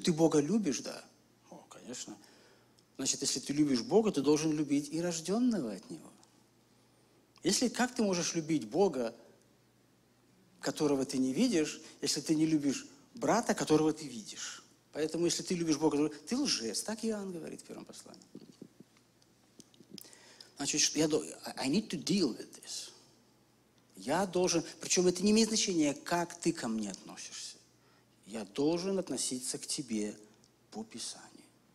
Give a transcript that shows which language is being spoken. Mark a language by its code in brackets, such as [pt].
[ru] Ты Бога любишь, да? О, конечно. Значит, если ты любишь Бога, ты должен любить и рожденного от Него. Если как ты можешь любить Бога, которого ты не видишь, если ты не любишь брата, которого ты видишь? Поэтому, если ты любишь Бога, ты лжец. Так Иоанн говорит в первом послании. Значит, что я должен... [en] I need to deal with this. [ru] Я должен... Причем это не имеет значения, как ты ко мне относишься. Я должен относиться к тебе по Писанию.